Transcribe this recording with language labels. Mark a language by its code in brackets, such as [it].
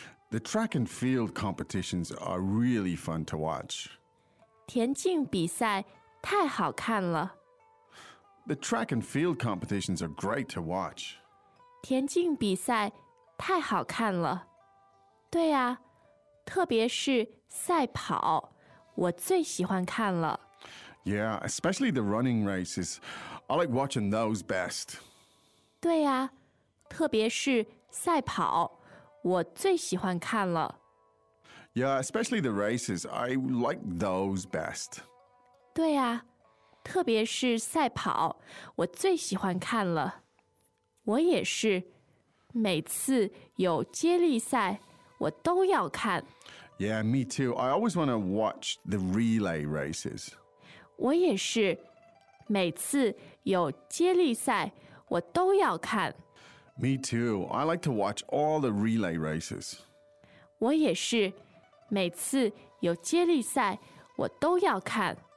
[en] The track and field competitions are really fun to watch. [zh] 田径比赛太好看了。 [en] The track and field competitions are great to watch. [zh] 田径比赛太好看了。对呀，特别是赛跑，我最喜欢看了。 [en] Yeah, especially the running races. I like watching those best. [zh] 对呀，特别是赛跑，我最喜欢看了。 [en] Yeah, especially the races. I like those best. [zh] 对呀，特别是赛跑，我最喜欢看了。我也是，每次有接力赛，我都要看。 [en] Yeah, me too. I always want to watch the relay races. [zh] 我也是，每次有接力赛，我都要看。 [en] Me too. I like to watch all the relay races. [zh] 我也是，每次有接力赛，我都要看。